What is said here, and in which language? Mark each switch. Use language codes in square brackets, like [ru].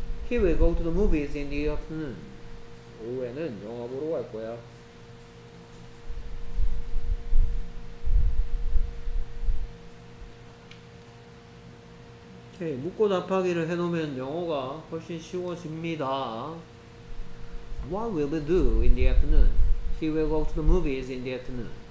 [en] He will go to the movies in the afternoon. [ko] 오후에는 영화 보러 갈 거야. 오케이. 묻고 답하기를 해놓으면 영어가 훨씬 쉬워집니다. [en] What will they do in the afternoon? He will go to the movies in the afternoon.